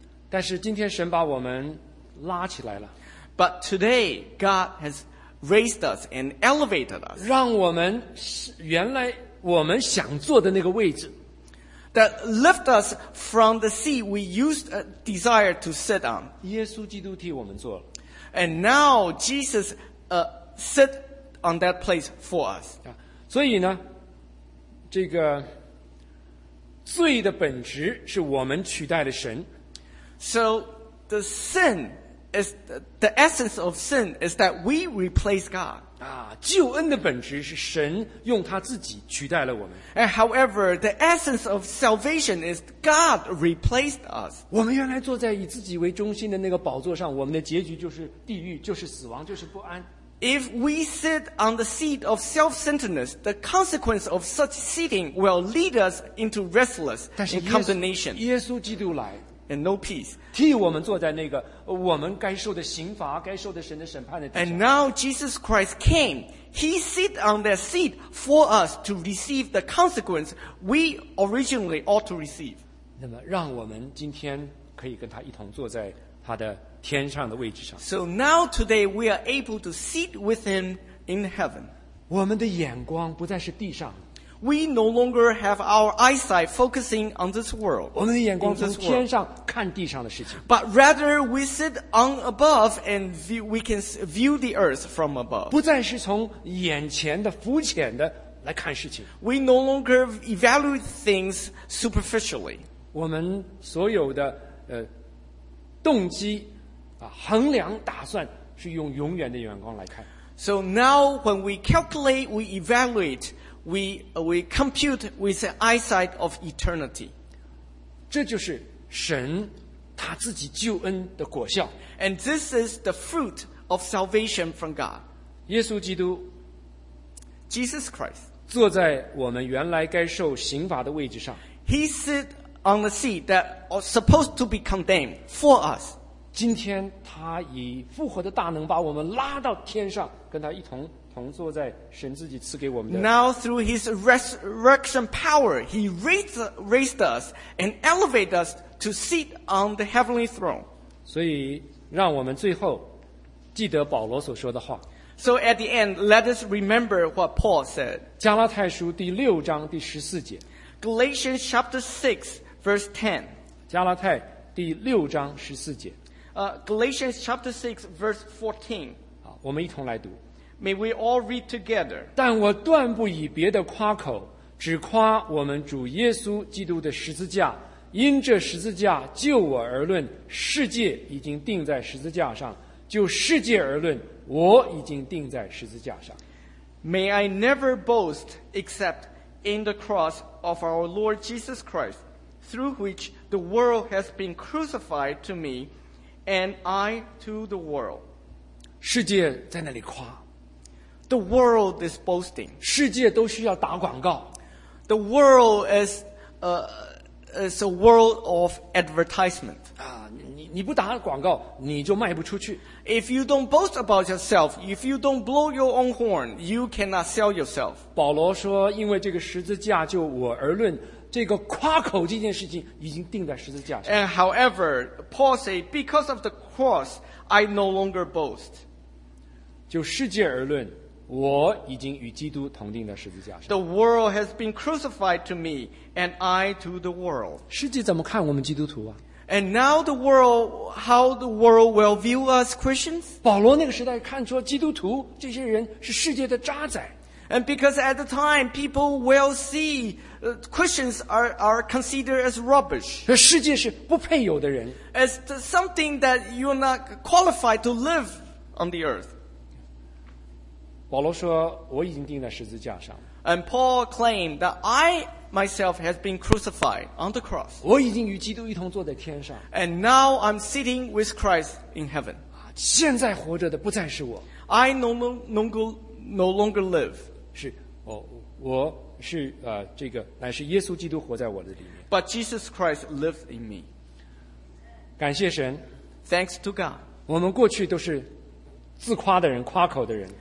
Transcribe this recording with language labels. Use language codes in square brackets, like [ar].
[zh] 但是今天神把我们拉起来了。 [en] But today, God has raised us and elevated us. [zh] 让我们原来我们想坐的那个位置。 [en] That lift us from the seat we used a desire to sit on. [zh] 耶稣基督替我们坐了。 [en] And now Jesus, sit on that place for us. [zh] 所以呢，这个罪的本质是我们取代了神。 [en] So the sin is the essence of sin is that we replace God. [zh] 啊，救恩的本质是神用他自己取代了我们。 [en] And however, the essence of salvation is God replaced us. [zh] 我们原来坐在以自己为中心的那个宝座上，我们的结局就是地狱，就是死亡，就是不安。 [en] If we sit on the seat of self-centeredness, the consequence of such sitting will lead us into restless and condemnation. [zh] 耶稣基督来。 [en] And no peace. [zh] 替我们坐在那个我们该受的刑罚、该受的神的审判的地上。 [en] And now Jesus Christ came. He sit on that seat for us to receive the consequence we originally ought to receive. [zh] 那么，让我们今天可以跟他一同坐在他的天上的位置上。 [en] So now today we are able to sit with him in heaven. [zh] 我们的眼光不再是地上。 [en] We no longer have our eyesight focusing on this world. [zh] 我们的眼光从天上看地上的事情。 [en] But rather we sit on above and we can view the earth from above. [zh] 不再是从眼前的浮浅的来看事情。 [en] We no longer evaluate things superficially. [zh] 我们所有的动机衡量打算是用永远的眼光来看。 [en] So now when we calculate, we evaluate,We compute with the eyesight of eternity. [zh] 这就是神他自己救恩的果效。 [en] And this is the fruit of salvation from God. [zh] 耶稣基督 [en] Jesus Christ [zh] 坐在我们原来该受刑罚的位置上。 [en] He sit on the seat that was supposed to be condemned for us. [zh] 今天他以复活的大能把我们拉到天上，跟他一同同坐在神自己赐给我们的。 [en] Now through his resurrection power, he raised us and elevated us to sit on the heavenly throne. [zh] 所以让我们最后记得保罗所说的话。 [en] So at the end, let us remember what Paul said. [zh] 加拉太书第六章第十四节。 [en] Galatians chapter 6, verse 10. [zh] 加拉太第六章十四节。 [en] Galatians chapter 6, verse 14. [zh] 好，我们一同来读。 [en] May we all read together. [zh] 但我断不以别的夸口，只夸我们主耶稣基督的十字架。因这十字架，就我而论，世界已经钉在十字架上。就世界而论，我已经钉在十字架上。 [en] May I never boast except in the cross of our Lord Jesus Christ, through which the world has been crucified to me, and I to the world. [zh] 世界在那里夸。 [en] The world is boasting. [zh] 世界都需要打广告。 [en] The world is a world of advertisement. [zh] 你不打广告，你就卖不出去。 [en] If you don't boast about yourself, if you don't blow your own horn, you cannot sell yourself. [zh] 保罗说，因为这个十字架就我而论，这个夸口这件事情已经钉在十字架上。 [en] And however, Paul said, because of the cross, I no longer boast. [zh] 就世界而论，我已经与基督同钉在十字架上。 [en] The world has been crucified to me, and I to the world. [zh] 世界怎么看我们基督徒啊？ [en] And now the world, how the world will view us Christians? [zh] 保罗那个时代看出基督徒这些人是世界的渣仔。 [en] And because at the time, people will see Christians are considered as rubbish. [zh] 世界是不配有的人。 [en] As something that you're not qualified to live on the earth. [zh] 保罗说，我已经钉在十字架上。 [en] And Paul claimed that I myself has been crucified on the cross. [zh] 我已经与基督一同坐在天上。 [en] And now I'm sitting with Christ in heaven. [zh] 现在活着的不再是我。 [en] I no longer live. [zh] 是，我是这个乃是耶稣基督活在我的里面。 [en] But Jesus Christ lives in me. [zh] 感谢神。 [en] Thanks to God. [zh] 我们过去都是自夸的人，夸口的人。